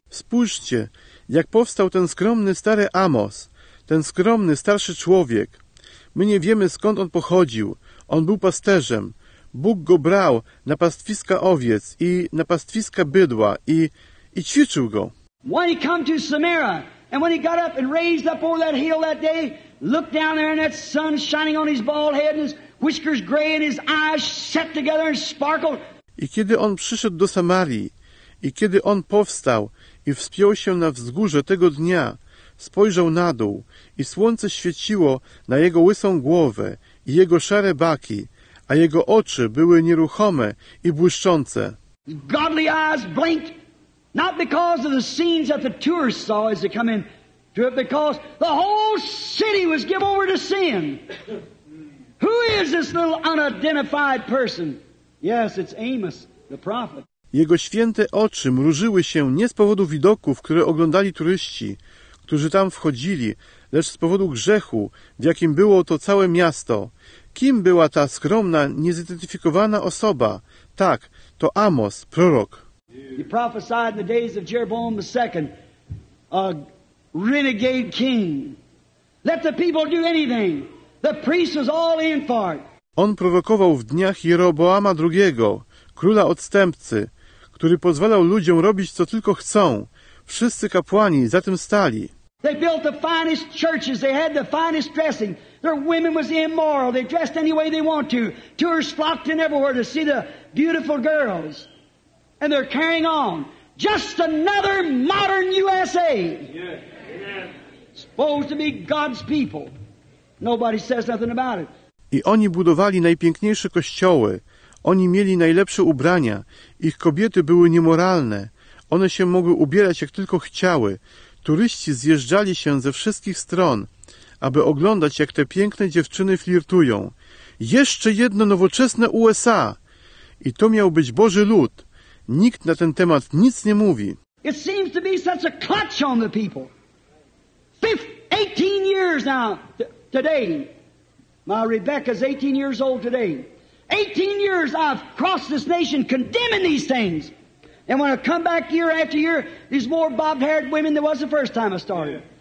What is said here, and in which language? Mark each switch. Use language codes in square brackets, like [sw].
[pl] Spójrzcie, jak powstał ten skromny stary Amos, ten skromny starszy człowiek. My nie wiemy, skąd on pochodził. On był pasterzem. Bóg go brał na pastwiska owiec i na pastwiska bydła i ćwiczył go. [en] When he come to Samaria, and when he got up and raised up over that hill that day, looked down there and that sun shining on his bald head and his whiskers gray and his eyes set together and sparkled. [pl] I kiedy on przyszedł do Samarii, i kiedy on powstał i wspiął się na wzgórze tego dnia, spojrzał na dół i słońce świeciło na jego łysą głowę i jego szare baki, a jego oczy były nieruchome i błyszczące. [en] Godly eyes blinked. Not because of the scenes that the tourists saw as they come in to it, because the whole city was given over to sin. Who is this little unidentified person? Yes, it's Amos, the prophet. [pl] Jego święte oczy mrużyły się nie z powodu widoków, które oglądali turyści, którzy tam wchodzili, lecz z powodu grzechu, w jakim było to całe miasto. Kim była ta skromna, niezidentyfikowana osoba? Tak, to Amos, prorok. [en] He prophesied in the days of Jeroboam the second, a renegade king. Let the people do anything. The priest was all in for it. [pl] On prowokował w dniach Jeroboama II, króla odstępcy, który pozwalał ludziom robić, co tylko chcą. Wszyscy kapłani za tym stali. [en] They built the finest churches. They had the finest dressing. Their women was immoral. They dressed any way they want to. Tourists flocked in everywhere to see the beautiful girls. And they're carrying on. Just another modern USA. Supposed to be God's people. Nobody says nothing about it. [pl] I oni budowali najpiękniejsze kościoły. Oni mieli najlepsze ubrania. Ich kobiety były niemoralne. One się mogły ubierać jak tylko chciały. Turyści zjeżdżali się ze wszystkich stron, aby oglądać, jak te piękne dziewczyny flirtują. Jeszcze jedno nowoczesne USA. I to miał być Boży lud. Nikt na ten temat nic nie mówi. [en] It seems to be such a clutch on the people. 18 years now, today. My Rebecca's 18 years old today. 18 years I've crossed this nation condemning these things. And when I come back year after year, there's more bobbed-haired women than was the first time I started.